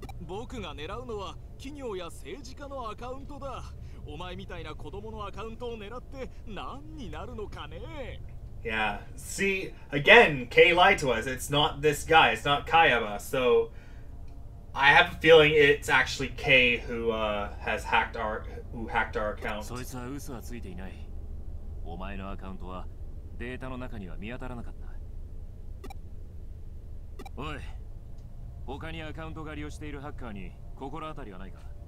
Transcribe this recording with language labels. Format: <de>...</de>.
<ja>僕が狙うのは 企業や政治家のアカウントだ。お前みたいな子供のアカウントを狙って何になるのかね?</ja> <en>Yeah, see, again, Kay lied to us. It's not this guy. It's not Kayaba. So, I have a feeling it's actually Kay who hacked our account.</en> <ja>そいつは嘘はついていない。お前のアカウントはデータの中には見当たらなかった。おい、他にアカウント狩りをしているハッカーに心当たりはないか?</ja>